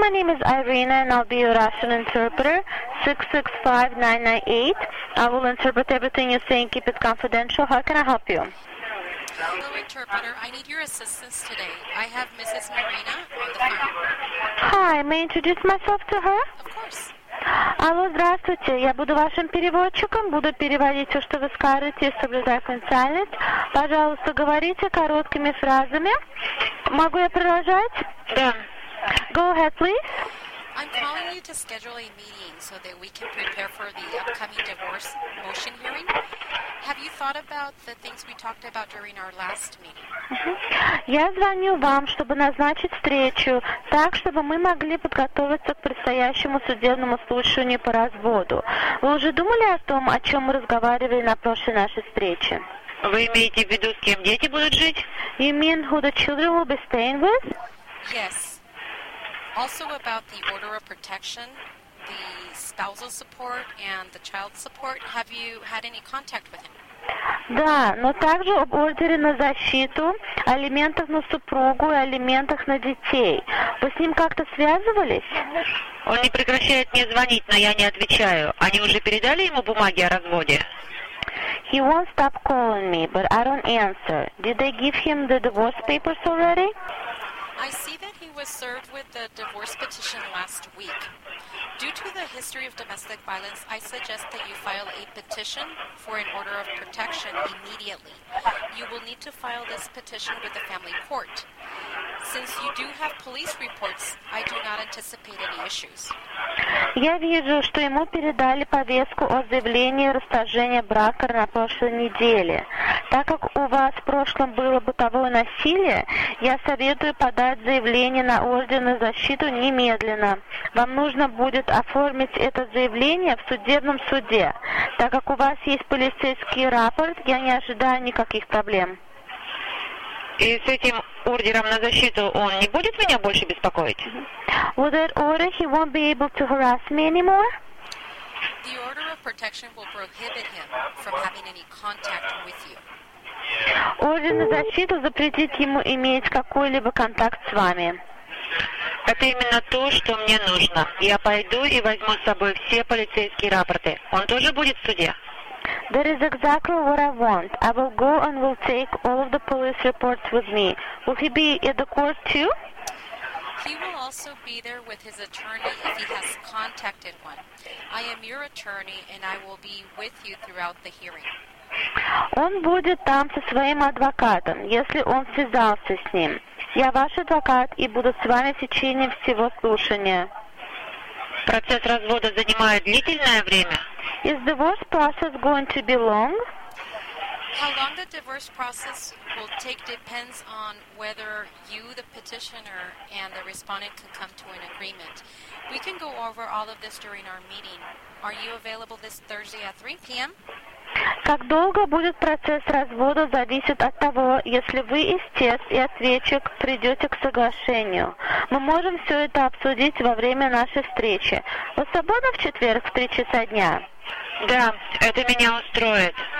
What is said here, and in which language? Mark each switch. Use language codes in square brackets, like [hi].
[en] My name is Irina, and I'll be your Russian interpreter. 665-998. I will interpret everything you're saying. Keep it confidential. How can I help you? Hello, interpreter. I need your assistance today. I have Mrs. Marina on the phone. Hi. May I introduce myself to her? Of course. [ru] Алло, здравствуйте. Я буду вашим переводчиком. Буду переводить все, что вы скажете, соблюдая конфиденциальность. Пожалуйста, говорите короткими фразами. Могу я продолжать? Да. [en] Go ahead, please. I'm calling you to schedule a meeting so that we can prepare for the upcoming divorce motion hearing. Have you thought about the things we talked about during our last meeting? [ru] Я звоню вам, чтобы назначить встречу, так, чтобы мы могли подготовиться к предстоящему судебному слушанию по разводу. Вы уже думали о том, о чем мы разговаривали на прошлой нашей встрече? Вы имеете в виду, с кем дети будут жить? [en] You mean who the children will be staying with? Yes. Also about the order of protection, the spousal support and the child support. Have you had any contact with him? [ru] Да, но также об ордере на защиту, алиментов на супругу и алиментах на детей. Вы с ним как-то связывались? Он не прекращает мне звонить, но я не отвечаю. Они уже передали ему бумаги о разводе? [en] He won't stop calling me, but I don't answer. Did they give him the divorce papers already? I see that he was served with the divorce petition last week. Due to the history of domestic violence, I suggest that you file a petition for an order of protection immediately. You will need to file this petition with the family court. Since you do have police reports, I do not anticipate any issues. [ru] Я вижу, что ему передали повестку о заявлении расторжения брака на прошлой неделе. Так как у вас в прошлом было бытовое насилие, я советую подать заявление на орден на защиту немедленно. Вам нужно будет оформить это заявление в судебном суде. Так как у вас есть полицейский рапорт, я не ожидаю никаких проблем. И с этим ордером на защиту он не будет меня больше беспокоить? [en] With that order, he won't be able to harass me anymore? The order of protection will prohibit him from having any contact with you. [ru] Орден на защиту запретит ему иметь какой-либо контакт с вами. Это именно то, что мне нужно. Я пойду и возьму с собой все полицейские рапорты. Он тоже будет в суде? [en] That is exactly what I want. I will go and will take all of the police reports with me. Will he be at the court too? He will also be there with his attorney if he has contacted one. I am your attorney and I will be with you throughout the hearing. [ru] Он будет там со своим адвокатом, если он связался с ним. Я ваш адвокат и буду с вами в течение всего слушания. Процесс развода занимает длительное время? [en] Is divorce process going to be long? How long the divorce process will take depends on whether you, the petitioner, and the respondent can come to an agreement. We can go over all of this during our meeting. Are you available this Thursday at 3 p.m.? [ru] Как долго будет процесс развода зависит от того, если вы, истец и ответчик, придете к соглашению. Мы можем все это обсудить во время нашей встречи. Вы свободны в четверг в 3 часа дня? Да, это меня устроит.